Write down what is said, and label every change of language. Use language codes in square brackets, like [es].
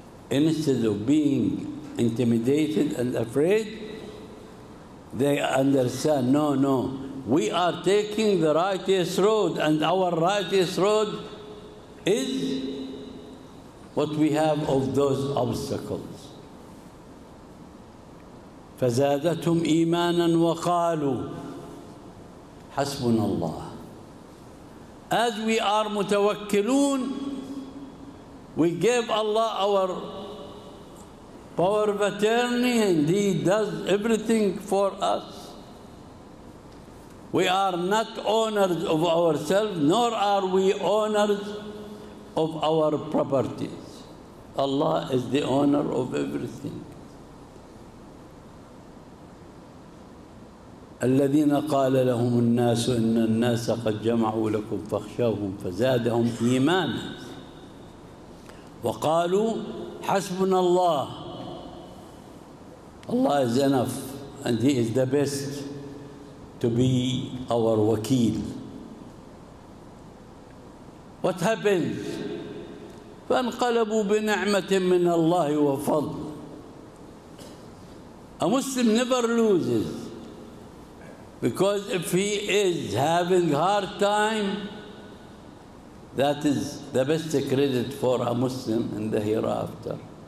[en] Instead of being intimidated and afraid, they understand, no, no, we are taking the righteous road, and our righteous road is what we have of those obstacles. [ar] فزادتهم إيمانا وقالوا حسبنا الله. [en] As we are متوكلون, we gave Allah our power of attorney, and He does everything for us. We are not owners of ourselves, nor are we owners of our properties. Allah is the owner of everything. [ar] الذين قال لهم الناس إن الناس قد جمعوا لكم فاخشوهم فزادهم إيمانا وقالوا حسبنا الله. [en] الله is enough and he is the best to be our وكيل. What happens? [ar] فانقلبوا بنعمة من الله وفضل. [en] A Muslim never loses, because if he is having hard time, that is the best credit for a Muslim in the hereafter.